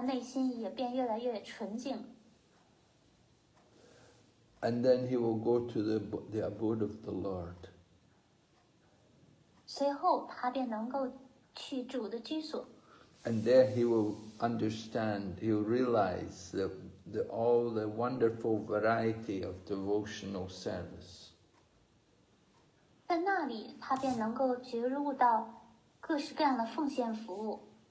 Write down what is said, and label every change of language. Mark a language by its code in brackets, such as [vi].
[zh] 当奉献者能，他的辨别力越来越趋于完善的时候，他的内心也变越来越纯净。 [en] And then he will go to the abode of the Lord. [zh] 随后他便能够去主的居所。 [en] And there he will understand, he will realize the all the wonderful variety of devotional service. [zh] 在那里他便能够觉悟到各式各样的奉献服务。